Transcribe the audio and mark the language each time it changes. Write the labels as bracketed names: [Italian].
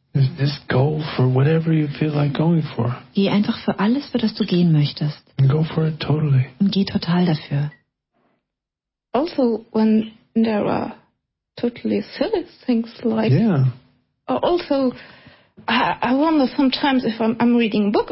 [English] Just go for whatever you feel like going for. [German] Geh einfach für alles, für das du gehen möchtest. [English] And go for it totally. [German] Und geh total dafür. [English] Also, when there are totally silly things like yeah. Also, I wonder sometimes if I'm reading a book.